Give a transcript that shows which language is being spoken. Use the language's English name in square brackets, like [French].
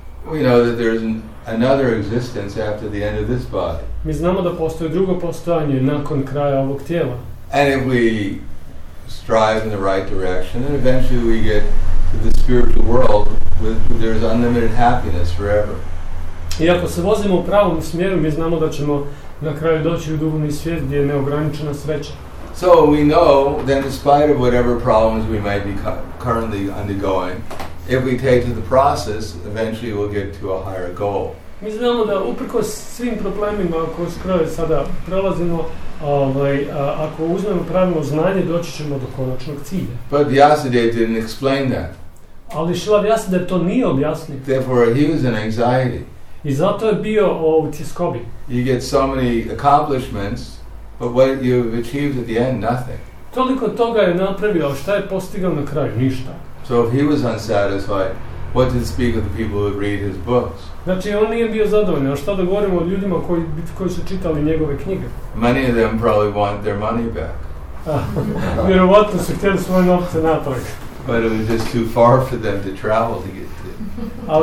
[English] We know that there's another existence after the end of this body. [Bosnian] Mi znamo da postoji drugo postojanje nakon kraja ovog tijela. [English] And if we strive in the right direction, then eventually we get to the spiritual world where there is unlimited happiness forever. [Bosnian] I ako se vozimo u pravom smjeru, mi znamo da ćemo na kraju doći u duhovni svijet gdje je neograničena sreća. [English] So we know that in spite of whatever problems we might be currently undergoing, if we take to the process, eventually we'll get to a higher goal. [Bosnian] Mi znamo da uprkos svim problemima koje skroz sada prolazimo, ako uzmemo pravilno znanje, doći ćemo do konačnog cilja. [English] But Vyasadeva didn't explain that. [Bosnian] Ali Šila Vyasadeva to nije objasnio. [English] Therefore he was in anxiety. [Bosnian] I zato je bio u tjeskobi. [English] You get so many accomplishments, but what you've achieved at the end, nothing. [Bosnian] Toliko toga je napravio, ali šta je postigao na kraju? Ništa. [English] So if he was unsatisfied, what did speak of the people who read his books? [Bosnian] Znači, on nije bio zadovoljan, a šta da govorimo o ljudima koji su čitali njegove knjige? [English] Many of them probably want their money back. [Bosnian] Vjerovatno su htjeli svoje novce natrag. [English] But it was just too far for them to travel to get to